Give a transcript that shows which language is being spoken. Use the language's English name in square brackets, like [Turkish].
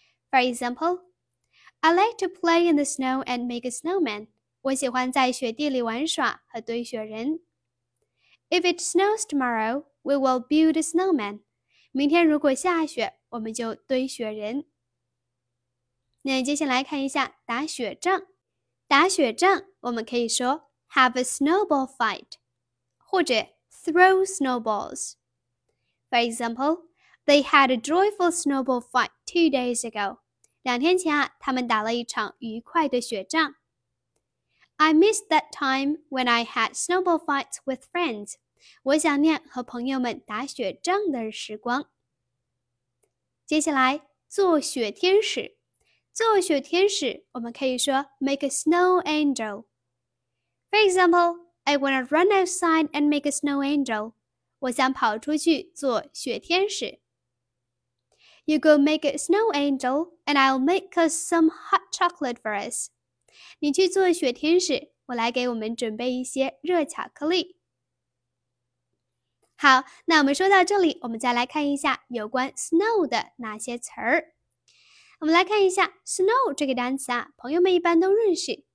[English] For example, I like to play in the snow and make a snowman. [Chinese] 我喜欢在雪地里玩耍和堆雪人。 [English] If it snows tomorrow, we will build a snowman. [Chinese] 明天如果下雪，我们就堆雪人。那接下来看一下打雪仗。打雪仗我们可以说 [English] Have a snowball fight, [Chinese] 或者 [English] throw snowballs. For example, they had a joyful snowball fight 2 days ago. [Chinese] 两天前啊，他们打了一场愉快的雪仗。 [English] I missed that time when I had snowball fights with friends. [Chinese] 我想念和朋友们打雪仗的时光。接下来，做雪天使。做雪天使，我们可以说 [English] make a snow angel. For example, I want to run outside and make a snow angel. [Chinese] 我想跑出去做雪天使。 [English] You go make a snow angel, and I'll make us some hot chocolate for us. [Chinese] 你去做雪天使，我来给我们准备一些热巧克力。好，那我们说到这里，我们再来看一下有关 snow 的那些词儿。我们来看一下 snow 这个单词啊，朋友们一般都认识。